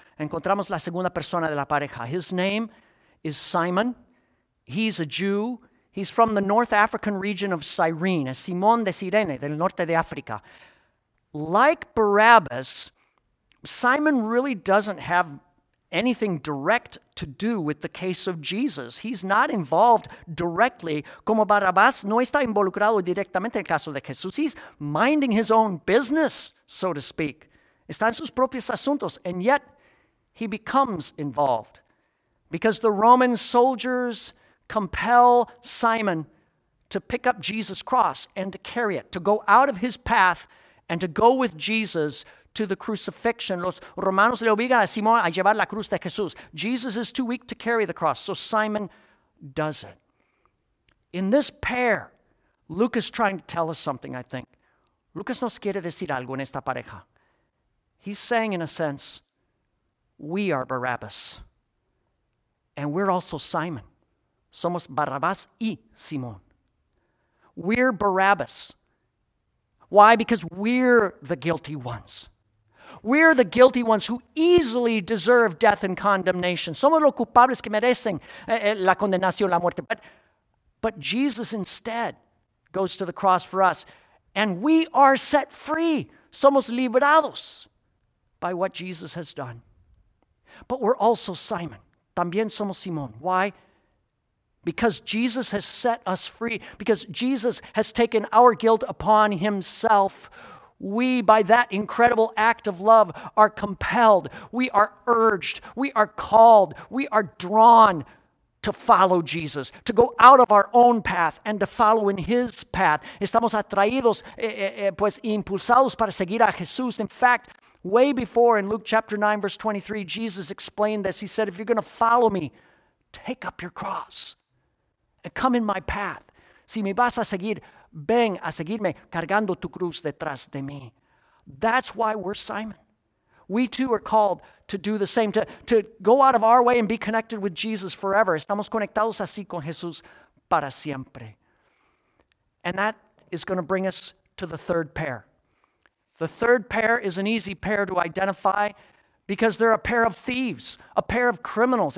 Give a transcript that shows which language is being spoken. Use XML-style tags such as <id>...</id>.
<es>Encontramos la segunda persona de la pareja.</es> <en>His name is Simon. He's a Jew. He's from the North African region of Cyrene,</en> <es>Simón de Cirene, del norte de África.</es> <en>Like Barabbas, Simon really doesn't have anything direct to do with the case of Jesus. He's not involved directly.</en> <es>Como Barabbas no está involucrado directamente en el caso de Jesús.</es> <en>He's minding his own business, so to speak.</en> <es>Está en sus propios asuntos.</es> <en>And yet, he becomes involved. Because the Roman soldiers compel Simon to pick up Jesus' cross and to carry it, to go out of his path and to go with Jesus to the crucifixion.</en> <es>Los romanos le obligan a Simón a llevar la cruz de Jesús.</es> <en>Jesus is too weak to carry the cross, so Simon does it. In this pair, Luke is trying to tell us something, I think.</en> <es>Lucas nos quiere decir algo en esta pareja.</es> <en>He's saying, in a sense, we are Barabbas, and we're also Simon.</en> <es>Somos Barabbas y Simón.</es> <en>We're Barabbas. Why? Because we're the guilty ones. We're the guilty ones who easily deserve death and condemnation.</en> <es>Somos los culpables que merecen la condenación, la muerte.</es> <en>But Jesus instead goes to the cross for us. And we are set free.</en> <es>Somos liberados</es> <en>by what Jesus has done. But we're also Simon.</en> <es>También somos Simón.</es> <en>Why? Because Jesus has set us free. Because Jesus has taken our guilt upon himself. We, by that incredible act of love, are compelled, we are urged, we are called, we are drawn to follow Jesus, to go out of our own path and to follow in his path.</en> <es>Estamos atraídos, pues impulsados para seguir a Jesús.</es> <en>In fact, way before in Luke chapter 9, verse 23, Jesus explained this. He said, if you're going to follow me, take up your cross and come in my path.</en> <es>Si me vas a seguir, ven a seguirme cargando tu cruz detrás de mí.</es> <en>That's why we're Simon. We too are called to do the same, to go out of our way and be connected with Jesus forever.</en> <es>Estamos conectados así con Jesús para siempre.</es> <en>And that is going to bring us to the third pair. The third pair is an easy pair to identify because they're a pair of thieves, a pair of criminals.</en>